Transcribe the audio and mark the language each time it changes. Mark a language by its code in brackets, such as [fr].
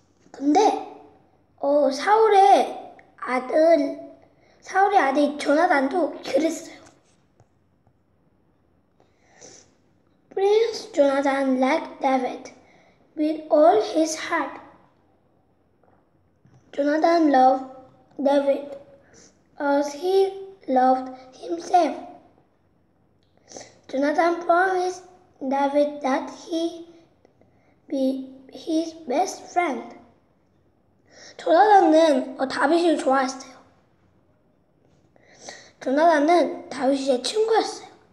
[ko] 근데 사울의 아들 조나단도 그랬어요. [en] Prince Jonathan liked David with all his heart. Jonathan loved David as he loved himself. Jonathan promised David that he be his best friend. [ko] 조나단은 다윗을 좋아했어요. 조나단은 다윗의 친구였어요.